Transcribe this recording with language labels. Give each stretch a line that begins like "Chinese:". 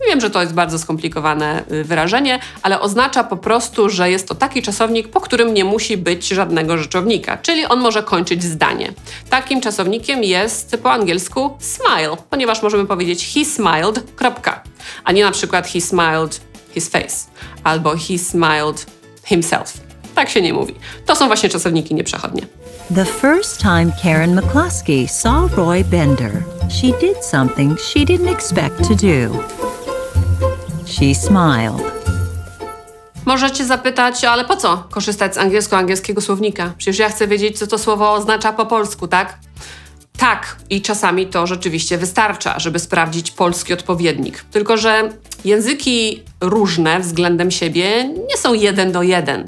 Polish: Wiem, że to jest bardzo skomplikowane wyrażenie, ale oznacza po prostu, że jest to taki czasownik, po którym nie musi być żadnego rzeczownika, czyli on może kończyć zdanie. Takim czasownikiem jest po angielsku smile, ponieważ możemy powiedzieć
English: he smiled,
Polish: kropka, a nie na przykład
English: he smiled his face
Polish: albo
English: he smiled himself.
Polish: Tak się nie mówi. To są właśnie czasowniki nieprzechodnie.
English: The first time Karen McCloskey saw Roy Bender, she did something she didn't expect to do. She smiled.
Polish: Możecie zapytać, ale po co korzystać z angielsko-angielskiego słownika? Przecież ja chcę wiedzieć, co to słowo oznacza po polsku, tak? Tak, i czasami to rzeczywiście wystarcza, żeby sprawdzić polski odpowiednik. Tylko że języki różne względem siebie nie są jeden do jeden.